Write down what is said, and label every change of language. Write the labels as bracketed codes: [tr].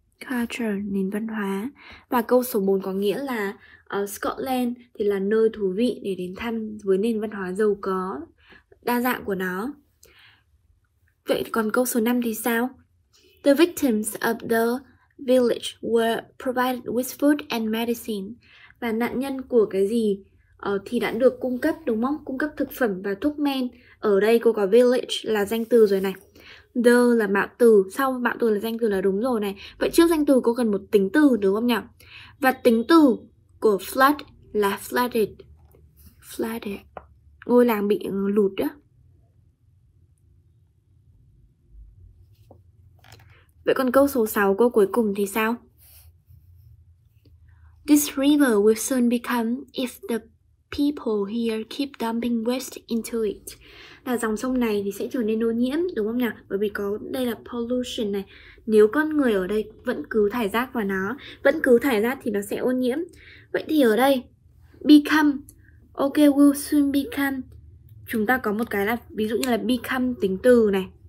[vi] Culture, nền văn hóa. Và câu số 4 có nghĩa là Scotland thì là nơi thú vị để đến thăm với nền văn hóa giàu có, đa dạng của nó. Vậy còn câu số 5 thì sao? [en] The victims of the village were provided with food and medicine. [vi] Và nạn nhân của cái gì thì đã được cung cấp, đúng không? Cung cấp thực phẩm và thuốc men. Ở đây cô có village là danh từ rồi này. The là mạo từ, sau mạo từ là danh từ là đúng rồi này. Vậy trước danh từ cô cần một tính từ, đúng không nhỉ? Và tính từ của flood là flooded. Flooded, ngôi làng bị lụt đó. Vậy còn câu số 6 cô cuối cùng thì sao? [en] This river will soon become if the people here keep dumping waste into it. [vi] Là dòng sông này thì sẽ trở nên ô nhiễm, đúng không nhỉ? Bởi vì có đây là pollution này. Nếu con người ở đây vẫn cứ thải rác vào nó, vẫn cứ thải rác thì nó sẽ ô nhiễm. Vậy thì ở đây become, ok, [en] will soon become. [vi] Chúng ta có một cái là ví dụ như là become tính từ này.